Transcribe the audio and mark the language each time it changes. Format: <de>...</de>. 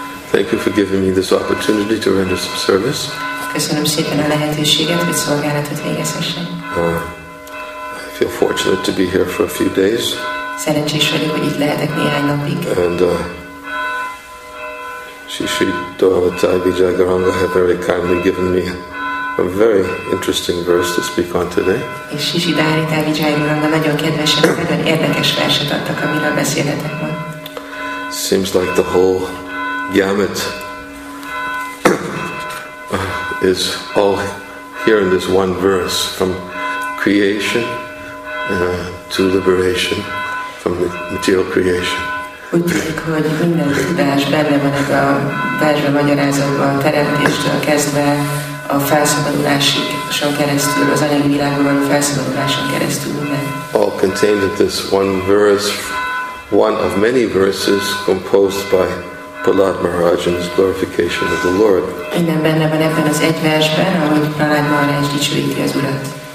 <en>Thank you for giving me this opportunity to render some service.</en> <hu>Köszönöm szépen a lehetőséget, hogy szolgálatot végezhessem.</hu> <en>I feel fortunate to be here for a few days.</en> <hu>Szerencsés vagyok, hogy itt lehetek néhány napig.</hu> <en>And Shri Dohavatai Vijayagaranga have very kindly given me a very interesting verse to speak on today.</en> <hu>És Shri Dohavatai Vijayagaranga nagyon kedvesen, nagyon érdekes verset adtak, amiről beszélhetek ma.</hu> <en>Seems like the whole gamut is all here in this one verse, from creation to liberation, from the material creation.</en> <hu>Úgy tűnik, hogy minden tudás benne van ebben a versben magyarázatban, a teremtéstől kezdve a felszabadulásig, soha keresztül, az anyagi világban való felszabaduláson keresztül.</hu> <en>All contained in this one verse, one of many verses composed by Prahlad Maharaj in his glorification of the Lord.</en> <hu>Minden benne van ebben az egy versben, ahogy Prahlad Maharaj dicsőíti az Urat.</hu>